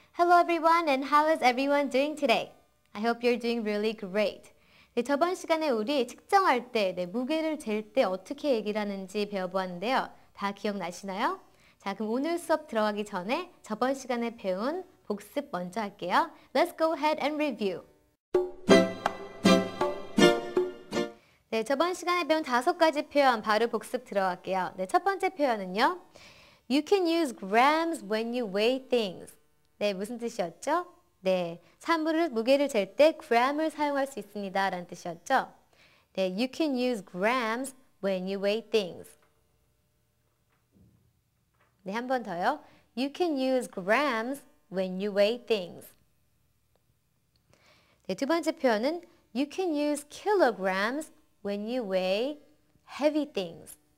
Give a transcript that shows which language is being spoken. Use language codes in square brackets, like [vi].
[en] Hello, everyone, and how is everyone doing today? I hope you're doing really great. [ko] 네, 저번 시간에 우리 측정할 때, 네, 무게를 잴 때 어떻게 얘기를 하는지 배워보았는데요. 다 기억나시나요? 자, 그럼 오늘 수업 들어가기 전에 저번 시간에 배운 복습 먼저 할게요. [en] Let's go ahead and review. [ko] 네, 저번 시간에 배운 다섯 가지 표현 바로 복습 들어갈게요. 네, 첫 번째 표현은요. [en] You can use grams when you weigh things. [ko] 네, 무슨 뜻이었죠? 네, 산물을 무게를 잴 때 gram을 사용할 수 있습니다. 라는 뜻이었죠? [en] 네, you can use grams when you weigh things. [ko] 네, 한 번 더요. [en] You can use grams when you weigh things. [ko] 네, 두 번째 표현은 [en] You can use kilograms when you weigh heavy things.